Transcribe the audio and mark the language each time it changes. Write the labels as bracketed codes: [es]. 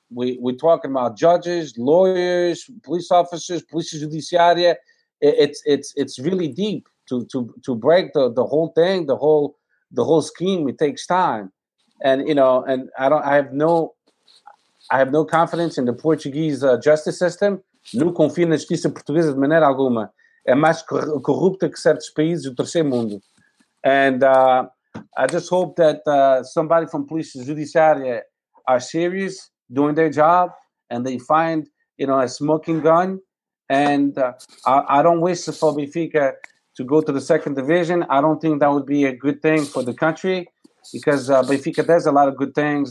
[en] We're talking about judges, lawyers, police officers, police judiciaria. It's really deep to break the whole thing, the whole scheme. It takes time, and you know, and I have no confidence in the Portuguese justice system. [pt] Não confio na justiça portuguesa de maneira alguma. É mais corrupta que certos países do terceiro mundo. [en] And I just hope that somebody from police judiciaria are serious doing their job, and they find, you know, a smoking gun. And I don't wish for Benfica to go to the second division. I don't think that would be a good thing for the country, because Benfica does a lot of good things.